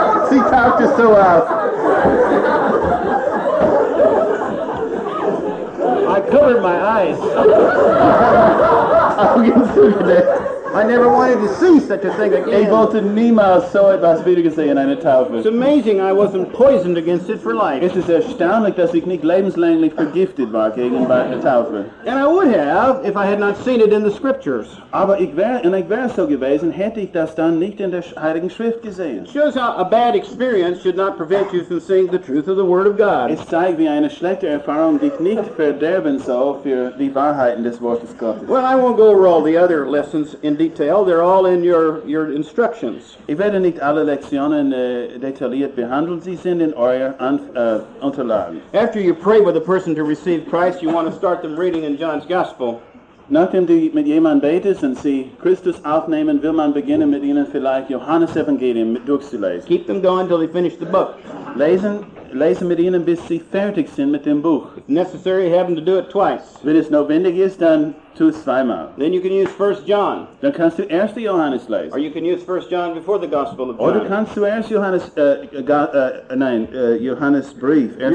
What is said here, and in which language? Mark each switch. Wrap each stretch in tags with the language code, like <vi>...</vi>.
<de>Sie tauchte so aus.</de> <en>I covered my eyes. I never wanted to see such a thing again.</en> <de>Ich wollte niemals so etwas wieder gesehen in einer Taufe.</de> <en>It's amazing I wasn't poisoned against it for life.</en> <de>Es ist erstaunlich, dass ich nicht lebenslänglich vergiftet war gegen eine Taufe.</de> <en>And I would have if I had not seen it in the scriptures.</en> <de>Aber ich wäre so gewesen, hätte ich das dann nicht in der Heiligen Schrift gesehen.</de> <en>It shows how a bad experience should not prevent you from seeing the truth of the Word of God.</en> <de>Es zeigt, wie eine schlechte Erfahrung dich nicht verderben soll für die Wahrheiten des Wortes Gottes.</de> <en>Well, I won't go over all the other lessons in detail. detail. They're all in your instructions.</en> <de>Ich werde nicht alle Lektionen detailliert behandeln. Sie sind in euer Unterlagen.</de> <en>After you pray with a person to receive Christ, you want to start them reading in John's Gospel.</en> <de>Nachdem du mit jemandem betest und sie Christus aufnehmen, will man beginnen mit ihnen vielleicht Johannes Evangelium durchzulesen.</de> <en>Keep them going until they finish the book.</en> <de>Lesen mit ihnen, bis sie fertig sind mit dem Buch.</de> <en>If necessary, have them to do it twice.</en> <de>Wenn es notwendig ist, dann tu es zweimal.</de> <en>Then you can use 1 John.</en> <de>Dann kannst du erst Johannes lesen.</de> <en>Or you can use 1 John before the Gospel of John.</en> <de>Oder kannst du erst Johannes, Johannes Brief, erst</de>